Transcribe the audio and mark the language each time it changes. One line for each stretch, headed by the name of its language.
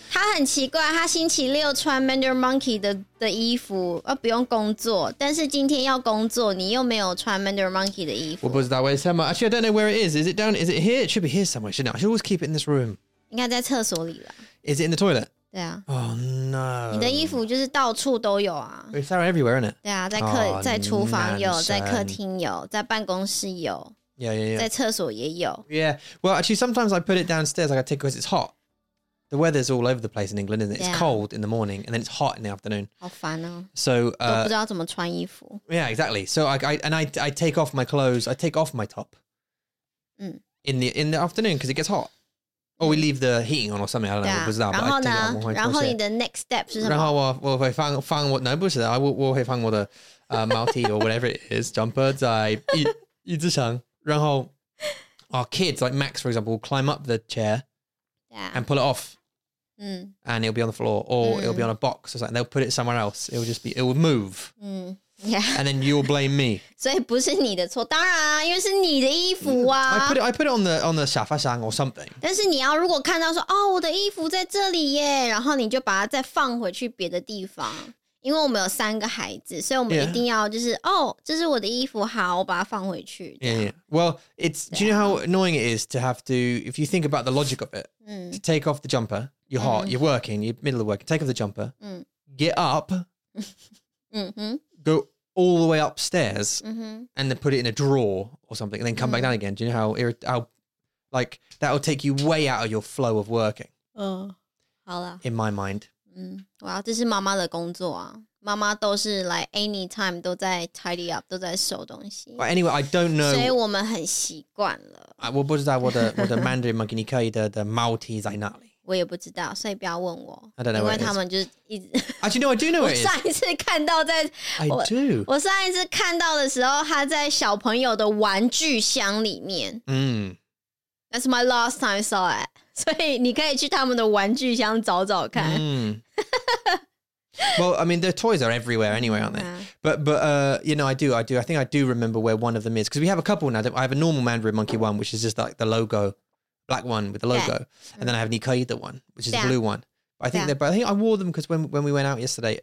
Chinese: 他很奇怪,他星期六穿 Mandarin Monkey 的衣服,而不用工作,但是今天要工作,你又没有穿 Mandarin Monkey 的衣服。我不知道为什么。
English: Actually, I don't know where it is. Is it here? It should be here somewhere, shouldn't it? I should always keep it in this room.
Chinese: 应该在厕所里啦。
English: Is it in the toilet?
Chinese: 对啊
English: Oh no
Chinese: 你的衣服就是到处都有啊
English: It's there everywhere, isn't it?
Chinese: 对啊在厨房有在客厅有在办公室有
English: Yeah
Chinese: 在厕所也有
English: Yeah Well actually sometimes I put it downstairs Like I take because it's hot The weather's all over the place in England, isn't it? It's cold in the morning And then it's hot in the afternoon
Chinese: 好烦哦
English: So
Chinese: 都不知道怎么穿衣服
English: Yeah exactly So I take off my clothes I take off my top In the afternoon because it gets hotOr we leave the heating on or something, I don't know,
Chinese: 不知道然后呢, 然后你的
English: next step
Chinese: 是什么? 然后我会放我, 不是的, 我会放我的 毛衣
English: or whatever it is, jumper
Chinese: 在椅子上, 然后
English: our kids, like Max, for example, will climb up the chair and pull it off, and it'll be on the floor, or it'll be on a box, or something, and they'll put it somewhere else, it'll move. Yeah. And then you'll blame me.
Chinese: 所以不是你的错，当然啊，因为是你的衣服啊。
English: I put it on the
Chinese: 沙发上
English: or something.
Chinese: 但是你要如果看到说，哦，我的衣服在这里耶，然后你就把它再放回去别的地方，因为我们有三个孩子，所以我们一定要就是哦，这是我的衣服，好，我把它放回去。
English: Yeah. Well, do you know how annoying it is to have to, if you think about the logic of it, to take off the jumper, you're hot, you're working, you're middle of work, take off the jumper, get up, go all the way upstairs and then put it in a drawer or something and then come back down again. Do you know how like, that'll take you way out of your flow of working?
Chinese: Oh, 好啦。
English: In my mind.
Chinese: Wow, 这是妈妈的工作啊。妈妈都是
English: like anytime
Chinese: 都在
English: tidy up,
Chinese: 都在收东西。
English: But anyway, I don't know.
Chinese: 所以我们很习惯了。我不知道我的 Mandarin Monkey, 你可以的毛衣在哪里。我也不知道，所以不要问我。
English: I don't know
Chinese: 因为他们就一直。
English: Actually, no, I do know it.
Chinese: 我上一次看到在
English: I do.
Chinese: 我上一次看到的时候，他在小朋友的玩具箱里面。
English: That's my last time I saw it.
Chinese: 所以你可以去他们的玩具箱找找看。
English: Well, I mean, the toys are everywhere anyway, aren't they? I do. I think I do remember where one of them is because we have a couple now. I have a normal Mandarin Monkey one, which is just like the logo. Black one with the logo. Yeah. And then I have Nikaida one, which is the blue one. But I think they're both. I think I wore them because when we went out yesterday.